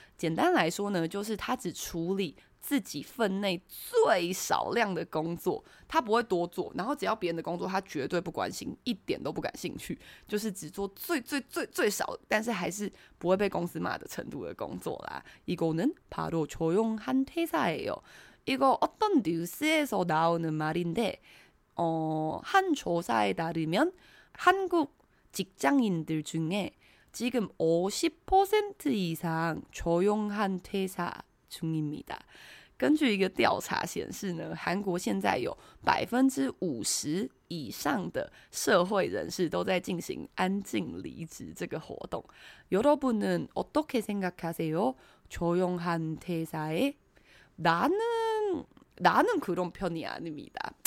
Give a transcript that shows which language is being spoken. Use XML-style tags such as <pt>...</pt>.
<zh>简单来说呢，就是他只处理自己分内最少量的工作，他不会多做，然后只要别人的工作他绝对不关心，一点都不感兴趣，就是只做最最最最少，但是还是不会被公司骂的程度的工作啦。</zh> <ko>이거는바로조용한퇴사예요。 이거어떤뉴스에서나오는말인데한조사에따르면한국직장인들중에지금 50% 이상조용한퇴사중입니다。</ko> <zh>根据一个调查显示呢，韩国现在有 50% 以上的社会人士都在进行安静离职这个活动。</zh> <ko>여러분은어떻게생각하세요조용한퇴사에나는그런편이아닙니다。</ko>